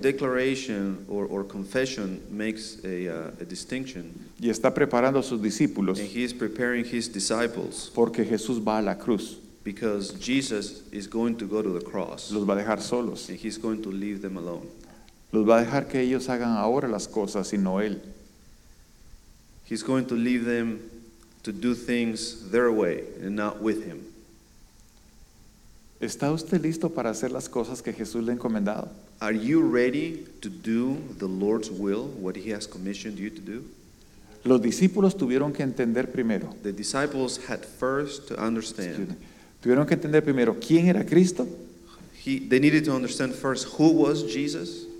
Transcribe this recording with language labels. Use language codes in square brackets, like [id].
[en] Peter's declaration or confession makes a distinction. [es] Y está preparando a sus discípulos. [en] And he is preparing his disciples. [es] Porque Jesús va a la cruz. [en] Because Jesus is going to go to the cross. [es] Los va a dejar solos. [en] And he's going to leave them alone. [es] Los va a dejar que ellos hagan ahora las cosas y no él. [en] He's going to leave them to do things their way and not with him. [es] ¿Está usted listo para hacer las cosas que Jesús le ha encomendado? [en] Are you ready to do the Lord's will, what he has commissioned you to do? [es] Los discípulos tuvieron que entender primero. [en] The disciples had first to understand. [es] Tuvieron que entender primero quién era Cristo. [en] They needed to understand first who was Jesus.